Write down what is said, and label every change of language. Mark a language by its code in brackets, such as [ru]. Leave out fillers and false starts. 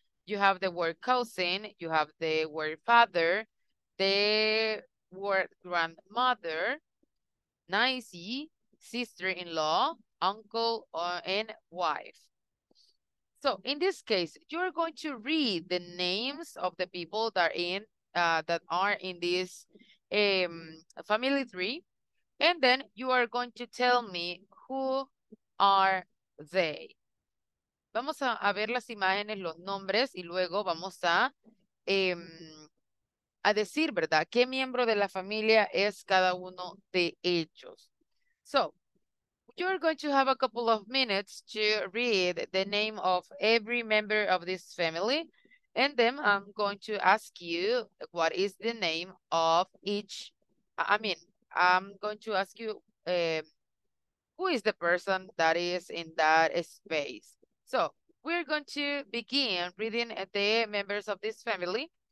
[en] You have the word cousin, you have the word father, the word grandmother, nicey, sister-in-law, uncle, and wife. So in this case, you're going to read the names of the people that are in this family tree, and then you are going to tell me who are they. [es] Vamos a ver las imágenes, los nombres, y luego vamos a decir, ¿verdad? ¿Qué miembro de la familia es cada uno de ellos? [en] So, you're going to have a couple of minutes to read the name of every member of this family, and then I'm going to ask you what is the name of each, I'm going to ask you who is the person that is in that space. So, we're going to begin reading the members of this family.